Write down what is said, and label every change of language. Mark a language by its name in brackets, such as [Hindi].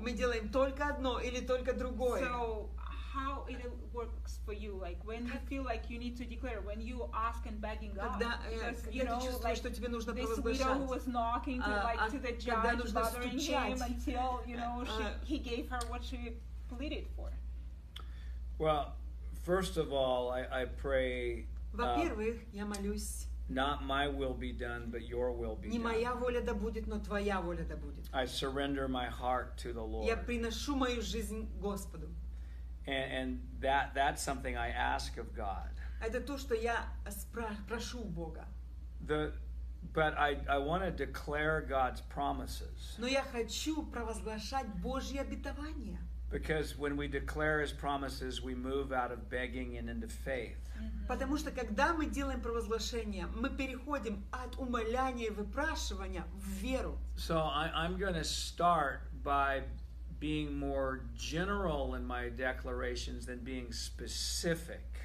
[Russian] Мы делаем только одно или только другое. [English] So, how it works for you? Like when you feel like you need to declare, when you ask and begging God. [Russian] Когда [English] you know, [Russian] ты чувствуешь, что тебе нужно провозглашать? [English] This widow who was knocking to, like, to the judge, bothering [Russian] стучать. [English] Him until you know he gave her what she pleaded for. Well. First of all, I pray. [Russian] Во-первых, я молюсь. [English] Not my will be done, but your will be [Russian] не Не моя воля да будет, но твоя воля да будет. [English] I surrender my heart to the Lord. [Russian] Я приношу мою жизнь Господу. [English] And that's something I ask of God. [Russian] Это то, что я прошу у Бога. [English] But I want to declare God's promises. [Russian] Но я хочу провозглашать Божьи обетования. [English] Because when we declare His promises, we move out of begging and into faith. [Russian] Потому что когда мы делаем провозглашение, мы переходим от умоляния и выпрашивания в веру. [English] So I'm going to start by being more general in my declarations than being specific.